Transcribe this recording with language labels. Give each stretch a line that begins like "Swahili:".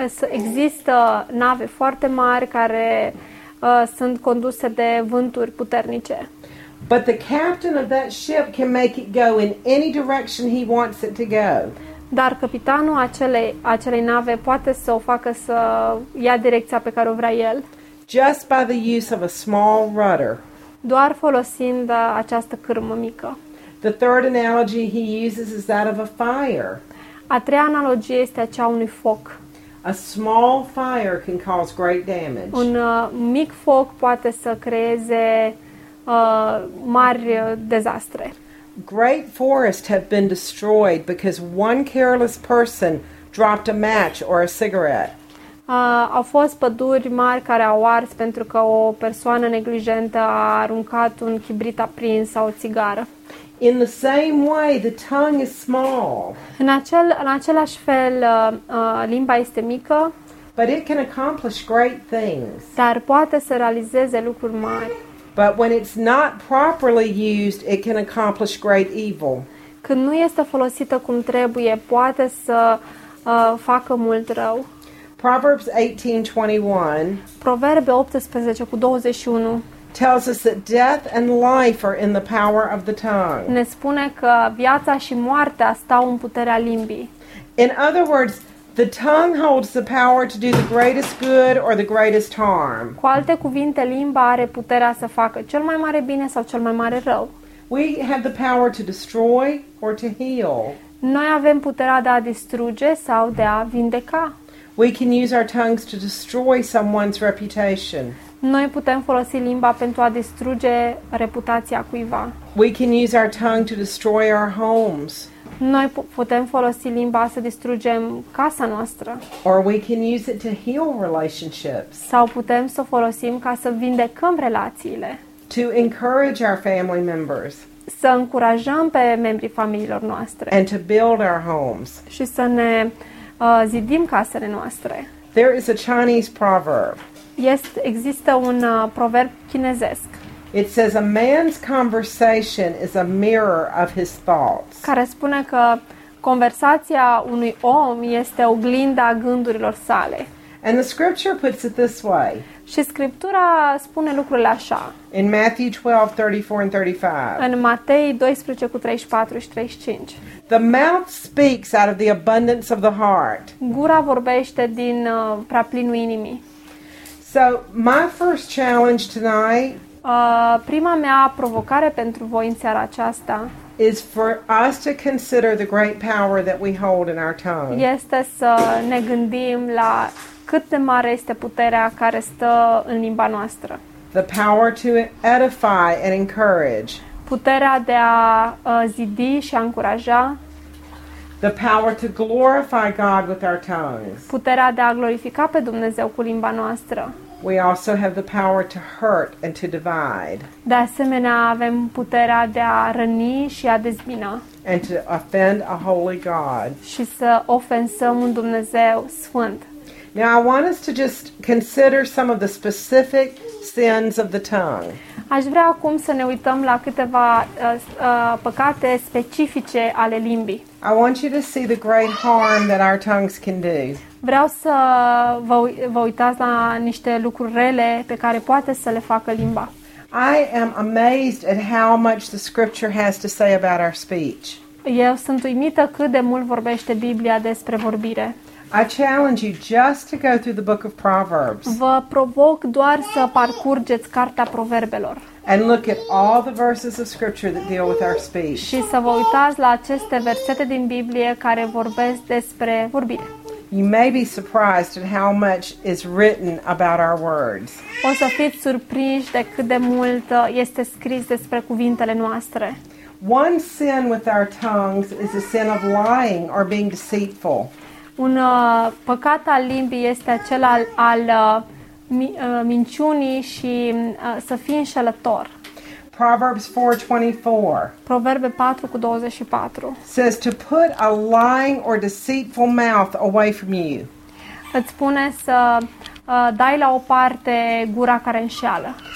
Romanian: Există nave foarte mari care sunt conduse de vânturi puternice.
English: But the captain of that ship can make it go in any direction he wants it to go.
Romanian: Dar capitanul acelei nave poate să o facă să ia direcția pe care o vrea el.
English: Just by the use of a small rudder.
Romanian: Doar folosind această cârmă mică.
English: The third analogy he uses is that of a fire.
Romanian: A treia analogie este aceea a unui foc.
English: A small fire can cause great damage.
Romanian: Un mic foc poate să creeze mari dezastre.
English: Great forests have been destroyed because one careless person dropped a match or a cigarette.
Romanian: Au fost păduri mari care au ars pentru că o persoană neglijentă a aruncat un chibrit aprins sau o țigară.
English: In the same way, the tongue is small.
Romanian: În același fel, limba este mică.
English: But it can accomplish great things.
Romanian: Dar poate să realizeze lucruri mari.
English: But when it's not properly used, it can accomplish great evil.
Romanian: Când nu este folosită cum trebuie, poate să facă mult rău.
English: Proverbs 18:21.
Romanian: Proverbe 18:21.
English: Tells us that death and life are in the power of the tongue.
Romanian: Ne spune că viața și moartea stau în puterea limbii.
English: In other words, the tongue holds the power to do the greatest good or the greatest harm.
Romanian: Cu alte cuvinte, limba are puterea să facă cel mai mare bine sau cel mai mare rău.
English: We have the power to destroy or to heal.
Romanian: Noi avem puterea de a distruge sau de a vindeca.
English: We can use our tongues to destroy someone's reputation.
Romanian: Noi putem folosi limba pentru a distruge reputația cuiva.
English: We can use our tongue to destroy our homes.
Romanian: Noi putem folosi limba să distrugem casa noastră.
English: Or we can use it to heal relationships.
Romanian: Sau putem să o folosim ca să vindecăm relațiile.
English: To encourage our family members.
Romanian: Să încurajăm pe membrii familiilor noastre.
English: And to build our homes.
Romanian: Și să ne zidim casele noastre.
English: There is a Chinese proverb.
Romanian: Există un proverb chinezesc.
English: It says a man's conversation is a mirror of his thoughts.
Romanian: Care spune că conversația unui om este oglinda gândurilor sale.
English: And the scripture puts it this way.
Romanian: Și scriptura spune lucrurile așa.
English: In Matthew 12:34-35.
Romanian: În Matei 12:34-35.
English: The mouth speaks out of the abundance of the heart.
Romanian: Gura vorbește din prea plinul inimii.
English: So, my first challenge tonight,
Romanian: prima mea provocare pentru voi în seara aceasta,
English: is for us to consider the great power that we hold in our tongue.
Romanian: Este să ne gândim la cât de mare este puterea care stă în limba noastră.
English: The power to edify and encourage.
Romanian: Puterea de a zidi și a încuraja.
English: The power to glorify God with our tongues.
Romanian: Puterea de a glorifica pe Dumnezeu cu limba noastră.
English: We also have the power to hurt and to divide.
Romanian: De asemenea, avem puterea de a răni și a dezbina.
English: And to offend a holy God.
Romanian: Și să ofensăm un Dumnezeu sfânt.
English: Now I want us to just consider some of the specific sins of the tongue.
Romanian: Aș vrea acum să ne uităm la câteva păcate specifice ale limbii.
English: I want you to see the great harm that our tongues can do.
Romanian: Vreau să vă uitați la niște lucruri rele pe care poate să le facă limba.
English: I am amazed at how much the scripture has to say about our speech.
Romanian: Eu sunt uimită cât de mult vorbește Biblia despre vorbire.
English: I challenge you just to go through the book of Proverbs.
Romanian: Vă provoc doar să parcurgeți cartea Proverbelor.
English: And look at all the verses of scripture that deal with our speech.
Romanian: Și să vă uitați la aceste versete din Biblie care vorbesc despre vorbire.
English: You may be surprised at how much is written about our words.
Romanian: O să fiți surprinși de cât de mult este scris despre cuvintele noastre.
English: One sin with our tongues is a sin of lying or being deceitful.
Romanian: Un păcat al limbii este acel al minciunii și să fii înșelător.
English: Proverbs 4:24.
Romanian: Proverbe 4:24.
English: Says to put a lying or deceitful mouth away from you.
Romanian: Îți spune să dai la o parte gura care înșeală.